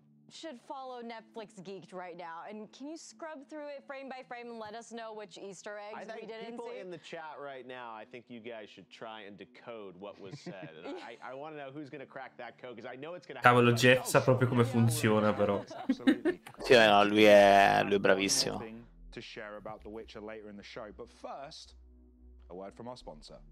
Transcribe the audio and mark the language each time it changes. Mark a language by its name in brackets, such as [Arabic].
[English] Should follow Netflix Geeked right now, and can you scrub through it frame by frame and let us know which Easter eggs we didn't see? People in the chat right now, I think you guys should try and decode what was said. I want to know who's going to crack that code, because I know it's going to happen. [Italian] Cavolo, Jeff sa proprio come funziona, però. Sì, no, lui è bravissimo. [English] To share about The Witcher later in the show, but first, a word from our sponsor.